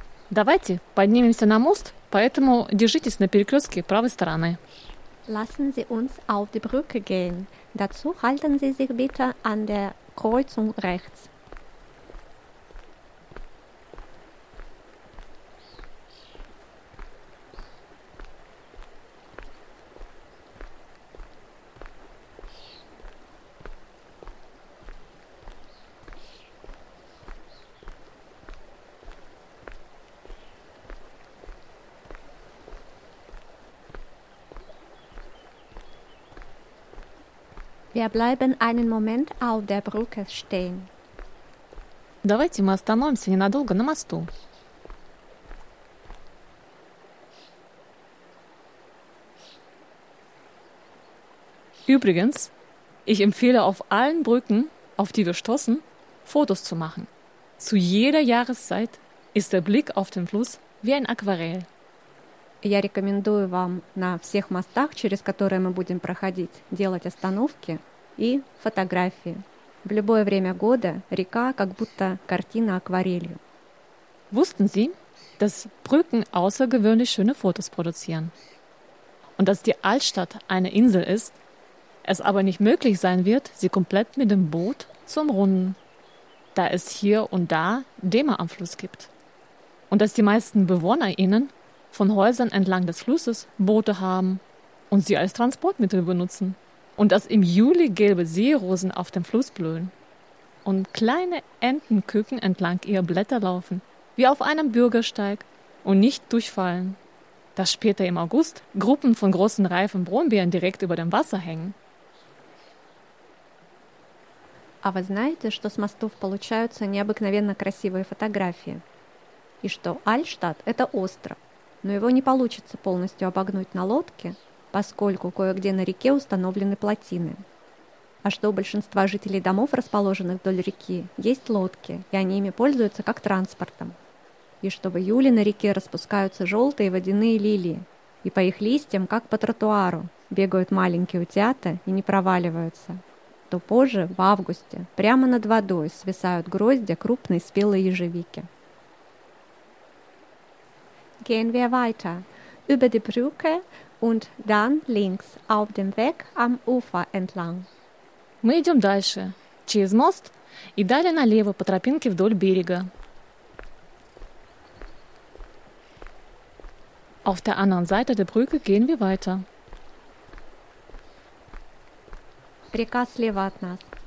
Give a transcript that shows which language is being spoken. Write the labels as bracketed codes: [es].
[ru] Давайте поднимемся на мост, поэтому держитесь на перекрестке правой стороны. [de] Lassen Sie uns auf die Brücke gehen. Dazu halten Sie sich bitte an der Kreuzung rechts. Wir bleiben einen Moment auf der Brücke stehen. [ru] Давайте мы остановимся ненадолго на мосту. [de] Übrigens, ich empfehle auf allen Brücken, auf die wir stoßen, Fotos zu machen. Zu jeder Jahreszeit ist der Blick auf den Fluss wie ein Aquarell. [ru] Я рекомендую вам на всех мостах, через которые мы будем проходить, делать остановки. И фотографии. В любое время года река как будто картина акварелью. [de] Wussten Sie, dass Brücken außergewöhnlich schöne Fotos produzieren? Und dass die Altstadt eine Insel ist, es aber nicht möglich sein wird, sie komplett mit dem Boot zu umrunden, da es hier und da Dämme am Fluss gibt. Und dass die meisten BewohnerInnen von Häusern entlang des Flusses Boote haben und sie als Transportmittel benutzen. Und dass im Juli gelbe Seerosen auf dem Fluss blühen und kleine Entenküken entlang ihrer Blätter laufen, wie auf einem Bürgersteig und nicht durchfallen. Dass später im August Gruppen von großen reifen Brombeeren direkt über dem Wasser hängen. [ru] А вы знаете, что с мостов получаются необыкновенно красивые фотографии? И что Альштадт – это остров, но его не получится полностью обогнуть на лодке, поскольку кое-где на реке установлены плотины. А что у большинства жителей домов, расположенных вдоль реки, есть лодки, и они ими пользуются как транспортом. И что в июле на реке распускаются желтые водяные лилии, и по их листьям, как по тротуару, бегают маленькие утята и не проваливаются. То позже, в августе, прямо над водой свисают гроздья крупной спелой ежевики. [de] Gehen wir weiter. Über die Brücke und dann links auf dem Weg am Ufer entlang. [ru] Мы идем дальше, через мост и далее налево по тропинке вдоль берега. [de] Auf der anderen Seite der Brücke gehen wir weiter. [ru] Река слева от нас.